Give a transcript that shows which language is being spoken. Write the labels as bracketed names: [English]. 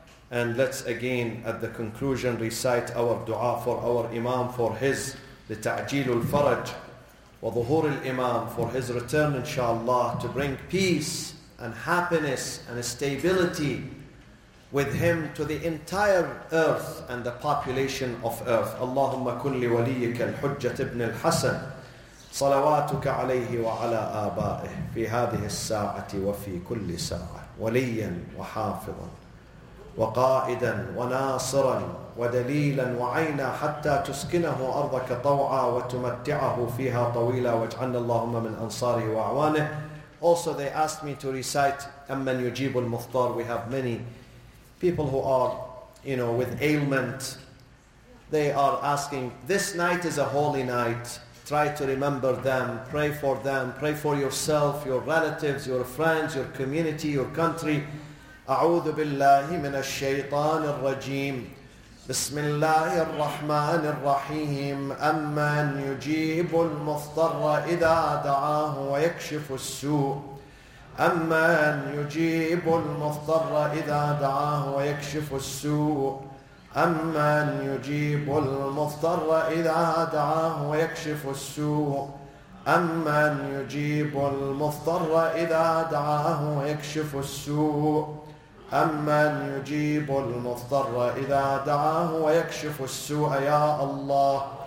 [English] And let's again, at the conclusion, recite our dua for our Imam, for his لتعجيل الفرج وظهور الإمام, for his return inshallah, to bring peace and happiness and stability with him to the entire earth and the population of earth. [Arabic] اللهم كن لوليك الحجة ابن الحسن صلواتك عليه وعلى آبائه في هذه الساعة وفي كل ساعة وليا وحافظا وقائدا وناصرا ودليلا وعينا حتى تسكنه أرضك طوعا وتمتعه فيها طويلا واجعلنا اللهم من أنصاره وأعوانه. [English] Also they asked me to recite أمن يجيب المضطر. We have many people who are, you know, with ailment. They are asking, this night is a holy night. Try to remember them, pray for them, pray for yourself, your relatives, your friends, your community, your country. [Arabic] أعوذ بالله من الشيطان الرجيم بسم الله الرحمن الرحيم أمن يجيب المضطر إذا دعاه ويكشف السوء أمن يجيب المضطر إذا دعاه ويكشف السوء أمن يجيب المضطر إذا دعاه ويكشف السوء أمن يجيب المضطر إذا دعاه ويكشف السوء أمن يجيب المضطر إذا دعاه ويكشف السوء يا الله